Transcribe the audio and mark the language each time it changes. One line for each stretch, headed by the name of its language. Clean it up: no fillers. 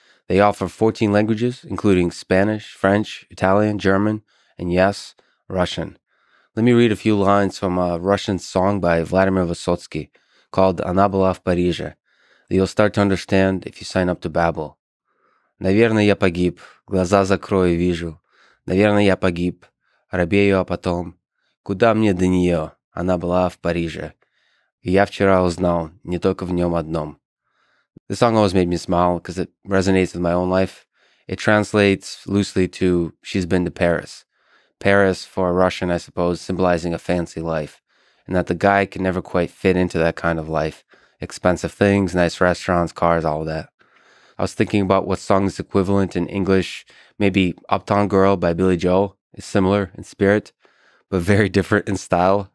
English: They offer 14 languages, including Spanish, French, Italian, German, and yes, Russian. Let me read a few lines from a Russian song by Vladimir Vysotsky called «Она была в Париже» that you'll start to understand if you sign up to Babbel.
Russian: «Наверное, я погиб, глаза закрою и вижу. Наверное, я погиб, робею, а потом. Куда мне до нее? Она была в Париже. И я вчера узнал, не только в нем одном».
English: The song always made me smile because it resonates with my own life. It translates loosely to she's been to Paris. Paris, for a Russian, I suppose, symbolizing a fancy life. And that the guy can never quite fit into that kind of life, expensive things, nice restaurants, cars, all of that. I was thinking about what song's equivalent in English, maybe Uptown Girl by Billy Joel is similar in spirit, but very different in style.